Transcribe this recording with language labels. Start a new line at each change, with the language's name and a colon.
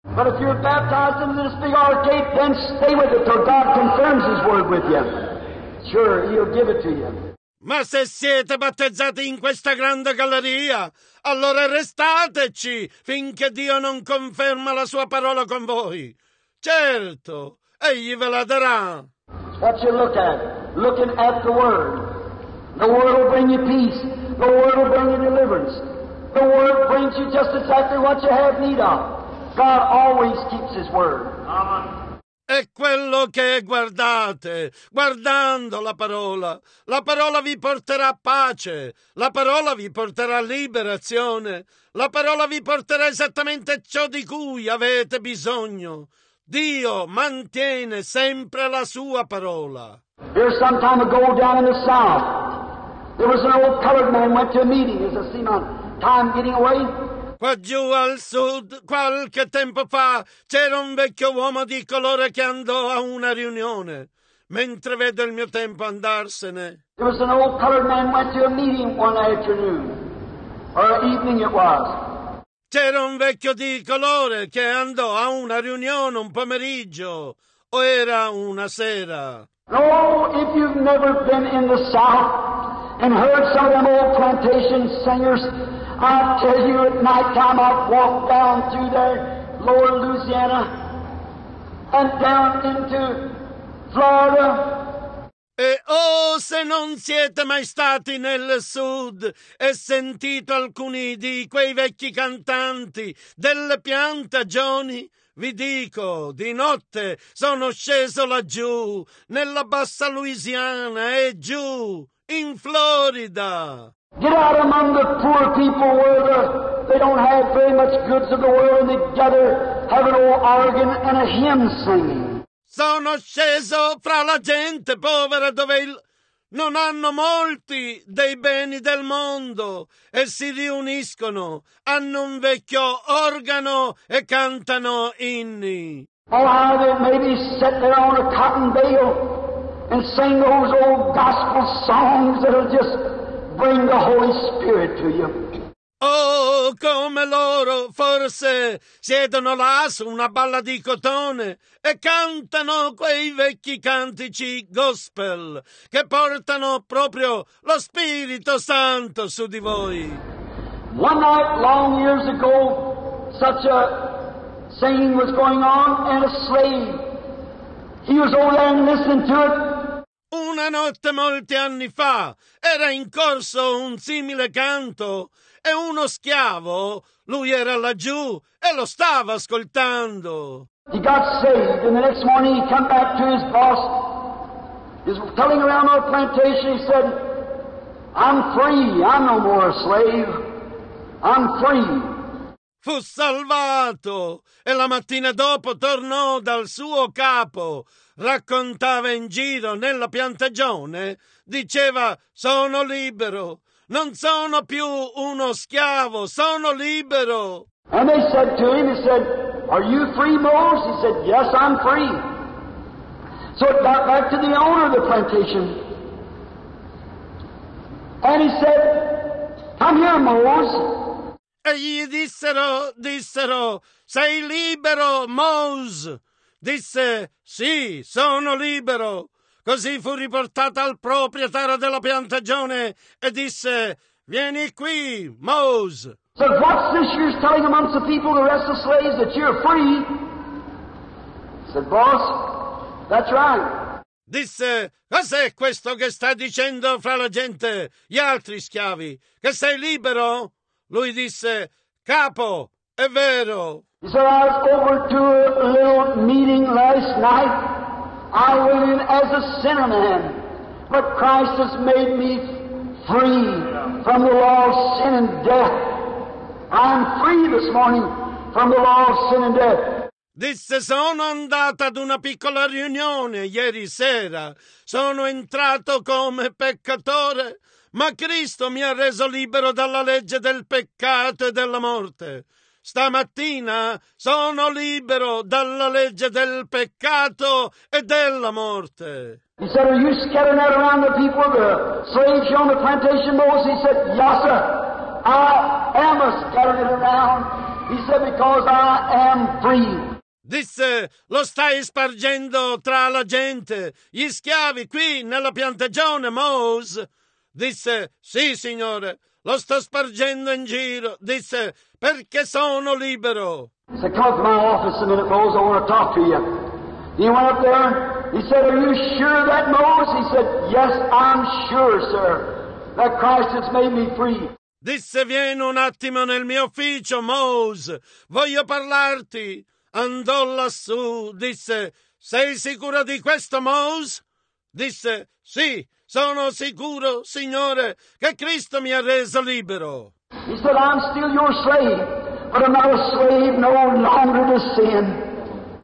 English: But if you're baptized into this big arcade, then stay with it till God confirms His word with you. Sure, He'll give it to you.
Italian: Ma se siete battezzati in questa grande galleria, allora restateci finché Dio non conferma la sua parola con voi. Certo, egli ve la darà.
English: What you look at, looking at the Word. The Word will bring you peace. The Word will bring you deliverance. The Word brings you just exactly what you have need of. God always keeps His Word. Amen.
Italian: È quello che guardate, guardando la parola vi porterà pace, la parola vi porterà liberazione, la parola vi porterà esattamente ciò di cui avete bisogno. Dio mantiene sempre la sua parola.
English: There's some time ago down in the south, there was an old colored man went to a meeting, as I see my time getting away,
Italian: Qua giù al sud, qualche tempo fa, c'era un vecchio uomo di colore che andò a una riunione. Mentre vedo il mio tempo andarsene.
English: There was an old colored man went to a meeting one afternoon, or evening it was.
Italian: C'era un vecchio di colore che andò a una riunione un pomeriggio, o era una sera.
English: Oh, if you've never been in the South and heard some of them old plantation singers, I'll tell you at night time I've walked down through there, Lower Louisiana, and down into Florida.
Italian: E oh, se non siete mai stati nel sud e sentito alcuni di quei vecchi cantanti delle piantagioni, vi dico, di notte sono sceso laggiù, nella bassa Louisiana e giù, in Florida.
English: Get out among the poor people where they don't have very much goods of the world and they gather, have an old organ and a hymn singing.
Italian: Sono sceso fra la gente povera dove non hanno molti dei beni del mondo e si riuniscono, hanno un vecchio organo e cantano inni.
English: Oh, how they maybe sit there on a cotton bale and sing those old gospel songs that'll just bring the Holy Spirit to you.
Italian: Oh, come loro forse siedono là su una balla di cotone e cantano quei vecchi cantici gospel che portano proprio lo Spirito Santo su di voi.
English: One night long years ago such a singing was going on and a slave, he was over there and listened to it.
Italian: Una notte molti anni fa era in corso un simile canto e uno schiavo, lui era laggiù e lo stava ascoltando.
English: He got saved and the next morning he came back to his boss. He's telling around our plantation, he said, I'm free, I'm no more a slave, I'm free.
Italian: Fu salvato e la mattina dopo tornò dal suo capo. Raccontava in giro nella piantagione, diceva, sono libero, non sono più uno schiavo, sono libero.
English: And they said to him, he said, are you free, Moses? He said, yes, I'm free. So it got back to the owner of the plantation. And he said, come here, Moses.
Italian: E gli dissero, sei libero, Moses. Disse, sì, sono libero. Così fu riportata al proprietario della piantagione e disse, vieni qui, Mose.
English: So what's this you're telling amongst the people, the rest of the slaves, that you're free? He said, boss, that's right.
Italian: Disse, cos'è questo che stai dicendo fra la gente, gli altri schiavi, che sei libero? Lui disse, capo, è vero.
English: He said, I was over to a little meeting last night. I went in as a sinner man, but Christ has made me free from the law of sin and death. I'm free this morning from the law of sin and death.
Italian: Disse, sono andata ad una piccola riunione ieri sera. Sono entrato come peccatore, ma Cristo mi ha reso libero dalla legge del peccato e della morte. Stamattina sono libero dalla legge del peccato e della morte.
English: He said, are you scattering that around the people, the slaves on the plantation, Moses? He said, yes, sir, I am scattering it around. He said, because I am free.
Italian: Disse, lo stai spargendo tra la gente, gli schiavi qui nella piantagione, Moses? Disse, sì, signore. Lo sto spargendo in giro, disse, perché sono libero.
English: He said, come to my office a minute, Moses, I want to talk to you. He went up there, he said, are you sure that, Moses? He said, yes, I'm sure, sir, that Christ has made me free.
Italian: Disse, vieni un attimo nel mio ufficio, Moses, voglio parlarti. Andò lassù, disse, sei sicuro di questo, Moses? Disse, sì. Sono sicuro, Signore, che Cristo mi ha reso libero.
English: He said, I'm still your slave, but I'm not a slave no longer to sin.